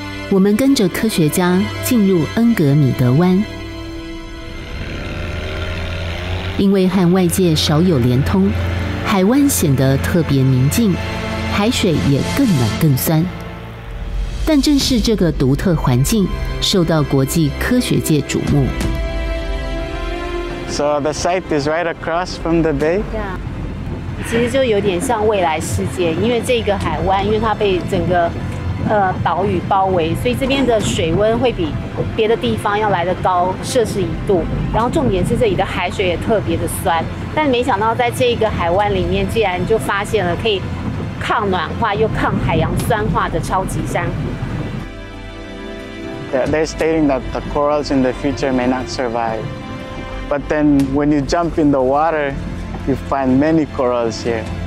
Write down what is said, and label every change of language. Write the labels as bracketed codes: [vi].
[en] We follow the scientists into Ngermi湾. Because with the outside world little connection, the ocean seems especially peaceful, the water is also warmer and salty. [zh] 但正是这个独特环境受到国际科学界瞩目。 [en] So the site is right across from the bay. Yeah. [zh] 其实就有点像未来世界，因为这个海湾，因为它被整个岛屿包围，所以这边的水温会比别的地方要来得高摄氏一度。然后重点是这里的海水也特别的酸，但没想到在这个海湾里面，竟然就发现了可以。抗暖化又抗海洋酸化的超级珊瑚。 [en] Yeah, they're stating that the corals in the future may not survive. But then when you jump in the water, you find many corals here.